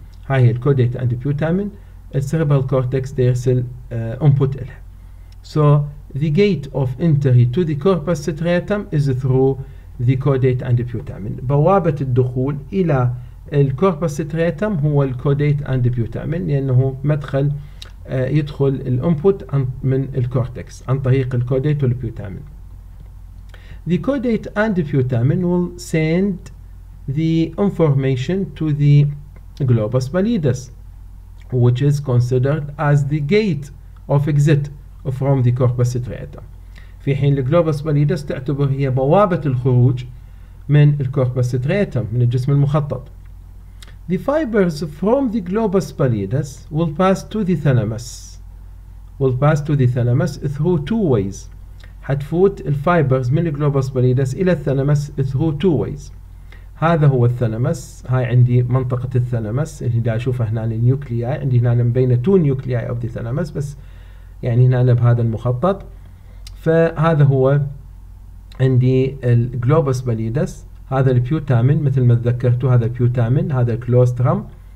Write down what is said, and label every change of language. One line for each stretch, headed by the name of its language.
Arabic: هاي هي الكوديت اند putamen. السيربرال كورتكس يرسل input إلها.
English: So the gate of entry to the corpus striatum is through the caudate and the putamen.
Arabic: بوابة الدخول إلى الكوربس striatum هو الكوديت
English: and the putamen
Arabic: لأنه مدخل يدخل الانبوت من الكورتكس عن طريق الكوديت والبيوتامين.
English: The caudate and the putamen will send the information to the globus pallidus, which is considered as the gate of exit from the corpus striatum.
Arabic: في حين الجلوبوس باليدس تعتبر هي بوابة الخروج من الكوربس striatum من الجسم المخطط.
English: The fibers from the globus pallidus will pass to the thalamus. Will pass to the thalamus through two ways.
Arabic: حتفوت الفايبرز من الجلوبوس باليدس إلى الثلمس
English: through two ways.
Arabic: هذا هو الثلمس هاي عندي منطقة الثلمس اللي دا أشوفه هنا النيوكليا عندي هنا بين تو نيوكليا أو دي ثلمس بس يعني هنا أنا بهذا المخطط فهذا هو عندي الجلوبوس باليدس هذا البيوتامين مثل ما ذكرتوا هذا بيوتامين هذا الكلوسترام